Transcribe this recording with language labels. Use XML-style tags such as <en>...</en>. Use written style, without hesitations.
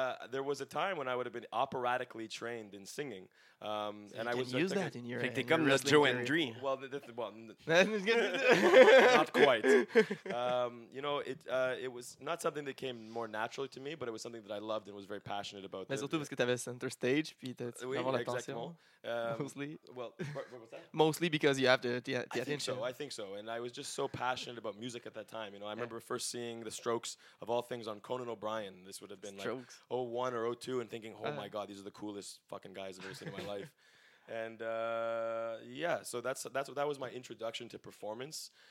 <en>There was a time when I would have been operatically trained in singing. So you can use that in your Think they come to Joanne Dream. Not quite. It was not something that came more naturally to me, but it was something that I loved and was very passionate about.</en> <fr>Mais surtout parce que tu avais center stage, puis tu avais l'attention.</fr> <en>Exactly. Mostly because you have the attention. I think so. And I was just so passionate about music at that time. You know, I remember first seeing the Strokes, of all things, on Conan O'Brien. This would have been Strokes. Like 01 or 02, and thinking, my God, these are the coolest fucking guys I've ever seen in my life. And so that was my introduction to performance.</en>